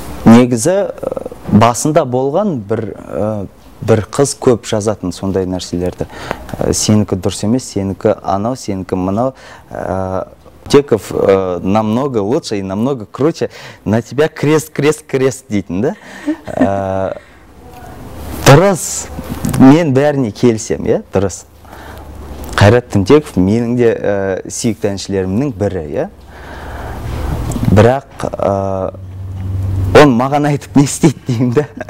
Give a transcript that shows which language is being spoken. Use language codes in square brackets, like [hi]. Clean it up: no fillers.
[kk] Негізі басында болған бір қыз көп жазатын сондай нәрселерді. Сенікі дұрыс емес, сенікі анау, сенікі мынау. [ru] Теков намного лучше и намного круче. На тебя крест, крест, крест дейтін, да? [kk] Дұрыс. Мен бәріне келсем, я? Дұрыс. Қайрат Түнтеков менің де сүйікті әншілерімнің бірі, я? Бірақ он маған айтып не істейді деймін, да?